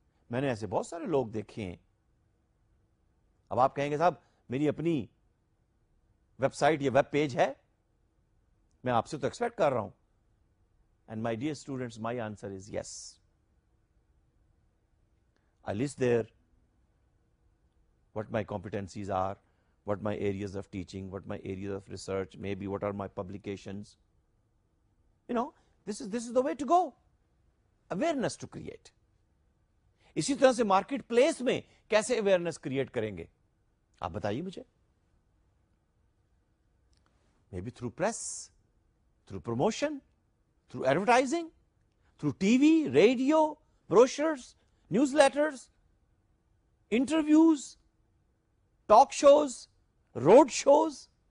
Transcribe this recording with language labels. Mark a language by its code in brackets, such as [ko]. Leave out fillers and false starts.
[ur] میں نے ایسے بہت سارے لوگ دیکھے ہیں. اب آپ کہیں گے صاحب میری اپنی ویب سائٹ یا ویب پیج ہے, میں آپ سے تو ایکسپیکٹ کر رہا ہوں. [en] And my dear students, my answer is yes. I list there what my competencies are, what my areas of teaching, what my areas of research, may be what are my publications. You know, this is the way to go. Awareness to create. [ur] اسی طرح سے market place میں کیسے awareness create کریں گے آپ بتائیے مجھے. [en] May be through press, through promotion, through advertising, through T V, radio, brochures, newsletters, interviews, talk shows, road shows.